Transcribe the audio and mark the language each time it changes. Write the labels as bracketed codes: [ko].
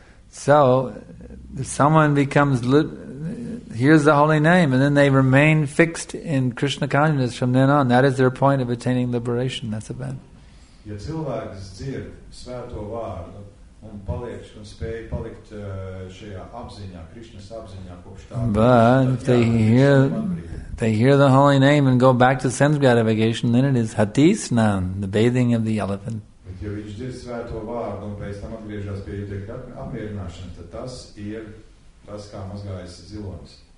[en] So, if someone becomes, hears the holy name and then they remain fixed in Krishna consciousness from then on, that is their point of attaining liberation. That's a bad. [lv] Ja cilvēks dzird svēto vārdu un paliek un spēj palikt šajā apziņā, Krišnas apziņā kopš tā. [en] But if they hear the holy name and go back to sense gratification, then it is hatisnan, the bathing of the elephant. [lv] Bet ja viņš dzird svēto vārdu un pēc tam atgriežas pie jūtekļa apmierināšana, tad tas ir tas, kā mazgājas zilonis.